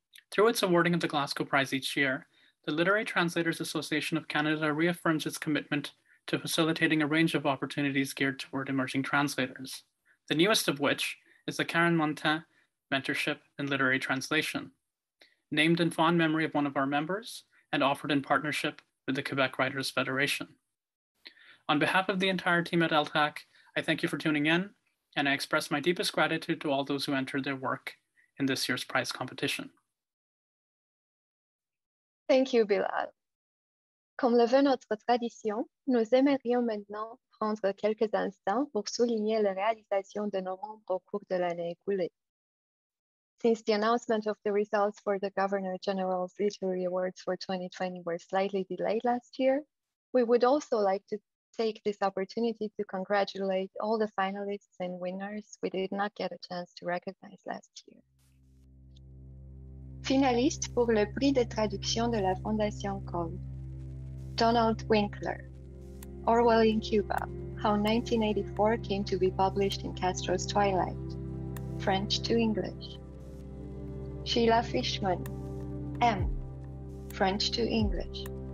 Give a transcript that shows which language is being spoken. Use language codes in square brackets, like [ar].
[en] Through its awarding of the Glassco Prize each year, the Literary Translators Association of Canada reaffirms its commitment to facilitating a range of opportunities geared toward emerging translators, the newest of which is the Karen Montin Mentorship in Literary Translation, named in fond memory of one of our members and offered in partnership with the Quebec Writers Federation. On behalf of the entire team at LTAC, I thank you for tuning in and I express my deepest gratitude to all those who entered their work in this year's prize competition. Thank you, Bilal. [fr] Comme le veut notre tradition, nous aimerions maintenant prendre quelques instants pour souligner les réalisations de nos membres au cours de l'année écoulée. [en] Since the announcement of the results for the Governor General's Literary Awards for 2020 were slightly delayed last year, we would also like to take this opportunity to congratulate all the finalists and winners we did not get a chance to recognize last year. [fr] Finaliste pour le Prix de traduction de la Fondation Comme. [en] Donald Winkler, Orwell in Cuba, How 1984 Came to be Published in Castro's Twilight, French to English. Sheila Fishman, M, French to English.